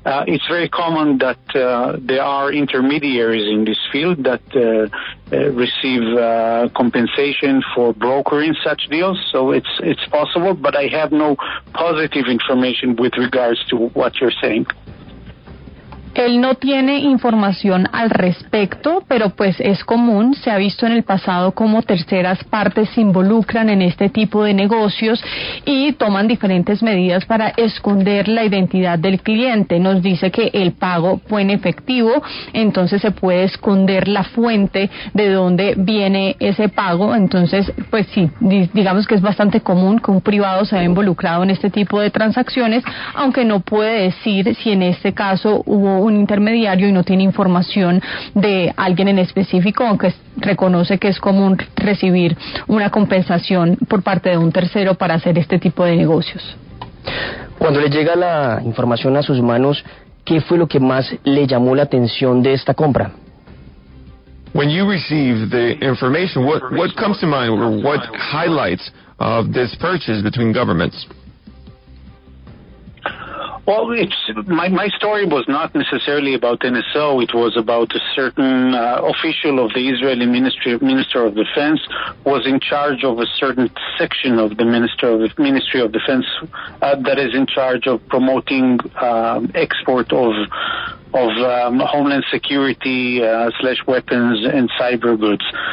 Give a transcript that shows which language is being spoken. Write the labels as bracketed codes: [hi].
[en] It's very common that there are intermediaries in this field that receive compensation for brokering such deals. So it's possible, but I have no positive information with regards to what you're saying. [es] Él no tiene información al respecto, pero pues es común, se ha visto en el pasado cómo terceras partes se involucran en este tipo de negocios y toman diferentes medidas para esconder la identidad del cliente. Nos dice que el pago fue en efectivo, entonces se puede esconder la fuente de donde viene ese pago. Entonces, pues sí, digamos que es bastante común que un privado se haya involucrado en este tipo de transacciones, aunque no puede decir si en este caso hubo un intermediario y no tiene información de alguien en específico, aunque reconoce que es común recibir una compensación por parte de un tercero para hacer este tipo de negocios. Cuando le llega la información a sus manos, ¿qué fue lo que más le llamó la atención de esta compra? [en] When you receive the information, what comes to mind or what highlights of this purchase between governments? Well, it's my story was not necessarily about NSO. It was about a certain official of the Israeli Minister of Defense was in charge of a certain section of the Ministry of Defense that is in charge of promoting export of homeland security / weapons and cyber goods.